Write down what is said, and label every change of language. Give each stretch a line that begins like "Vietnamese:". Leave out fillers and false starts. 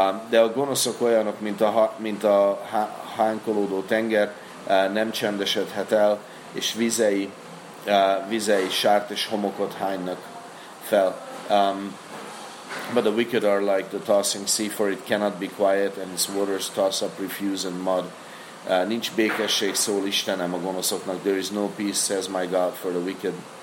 Hungarian: De a gonoszok olyanok, mint a hánkolódó tenger, nem csendesedhet el, és vizei sárt és homokot hánynak fel.
English: But the wicked are like the tossing sea, for it cannot be quiet, and its waters toss up refuse and mud.
Hungarian: Nincs békesség, szól Istenem a gonoszoknak.
English: There is no peace, says my God, for the wicked.